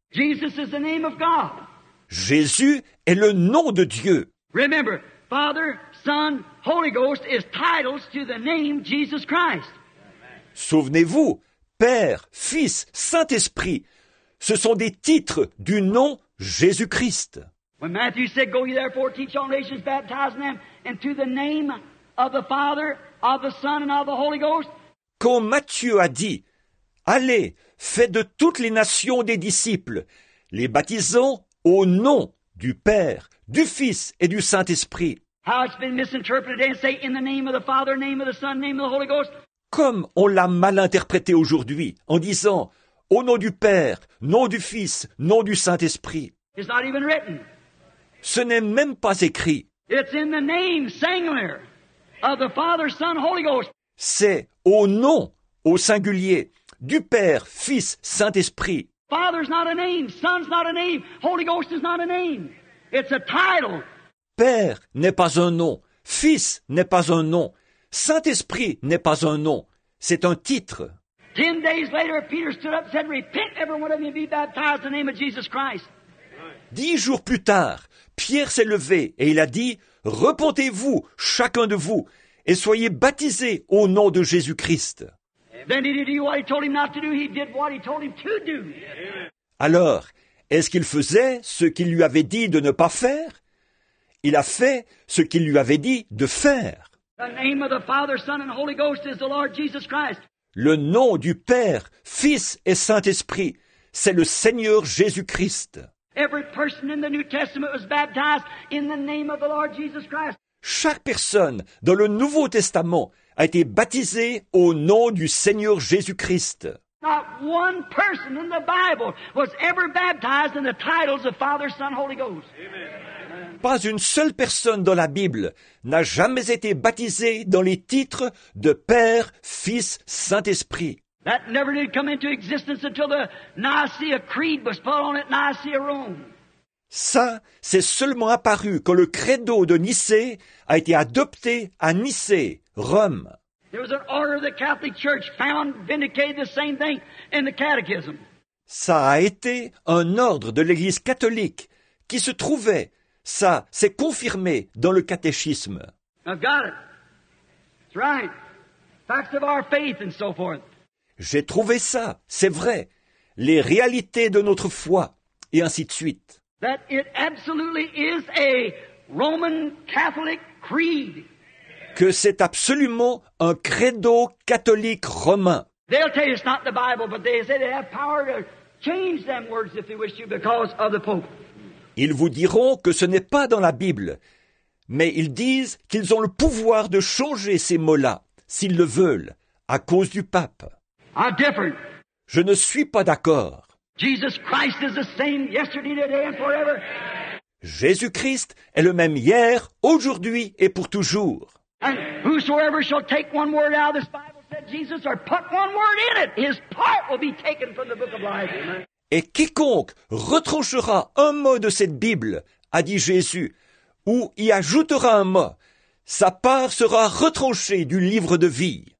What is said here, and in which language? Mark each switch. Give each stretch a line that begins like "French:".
English: Jesus is the name of God.
French: Jésus est le nom de Dieu.
English: Remember, Father, Son, Holy Ghost is titles to the name Jesus Christ.
French: Souvenez-vous, Père, Fils, Saint-Esprit, ce sont des titres du nom Jésus-Christ.
English: When Matthew said, "Go ye therefore, teach all nations, baptizing them into the name of the Father, of the Son, and of the Holy Ghost."
French: Quand Matthieu a dit, "Allez, faites de toutes les nations des disciples, les baptisant au nom du Père, du Fils et du Saint-Esprit."
English: How it's been misinterpreted and say in the name of the Father, name of the Son, name of the Holy Ghost.
French: Comme on l'a mal interprété aujourd'hui en disant au nom du Père, nom du Fils, nom du Saint-Esprit.
English: It's not even written.
French: Ce n'est même pas écrit.
English: It's in the name singular of the Father, Son, Holy Ghost.
French: C'est au nom au singulier du Père, Fils, Saint-Esprit.
English: Father's not a name, Son's not a name, Holy Ghost is not a name. It's a title.
French: Père n'est pas un nom, Fils n'est pas un nom, Saint-Esprit n'est pas un nom, c'est un titre.
English: 10 days later, Peter stood up and said, "Repent, every one of you, be baptized in the name of Jesus Christ."
French: 10 jours plus tard, Pierre s'est levé et il a dit, "Repentez-vous, chacun de vous, et soyez baptisés au nom de Jésus-Christ."
English: Then did he do what he told him not to do? He did what he told him to do.
French: Alors, est-ce qu'il faisait ce qu'il lui avait dit de ne pas faire? Il a fait ce qu'il lui avait dit de faire.
English: The name of the Father, Son, and Holy Ghost is the Lord Jesus Christ.
French: Le nom du Père, Fils et Saint-Esprit, c'est le Seigneur Jésus-Christ.
English: Every person in the New Testament was baptized in the name of the Lord Jesus Christ.
French: Chaque personne dans le Nouveau Testament a été baptisé au nom du Seigneur Jésus-Christ.
English: Not one person in the Bible was ever baptized in the titles of Father, Son, Holy Ghost. Amen.
French: Pas une seule personne dans la Bible n'a jamais été baptisée dans les titres de Père, Fils, Saint-Esprit.
English: That never did come into existence until the Nicaea Creed was put on at Nicaea Rome.
French: Ça, c'est seulement apparu quand le credo de Nicée a été adopté à Nicée, Rome.
English: There was an order the Catholic Church found vindicated the same thing in the Catechism.
French: Ça a été un ordre de l'Église catholique qui se trouvait, ça s'est confirmé dans le catéchisme.
English: I've got it. It's right. Facts of our faith and so forth.
French: J'ai trouvé ça, c'est vrai. Les réalités de notre foi et ainsi de suite.
English: That it absolutely is a Roman Catholic creed.
French: Que c'est absolument un credo catholique romain.
English: They'll tell you it's not the Bible, but they say they have power to change them words if they wish to because of the Pope.
French: Ils vous diront que ce n'est pas dans la Bible, mais ils disent qu'ils ont le pouvoir de changer ces mots-là, s'ils le veulent, à cause du pape.
English: I'm different.
French: Je ne suis pas d'accord.
English: Jesus Christ is the same yesterday, today, and forever.
French: Jésus-Christ est le même hier, aujourd'hui et pour toujours.
English: And whosoever shall take one word out of this Bible, said Jesus, or put one word in it, his part will be taken from the book of life. Amen.
French: Et quiconque retranchera un mot de cette Bible, a dit Jésus, ou y ajoutera un mot, sa part sera retranchée du livre de vie.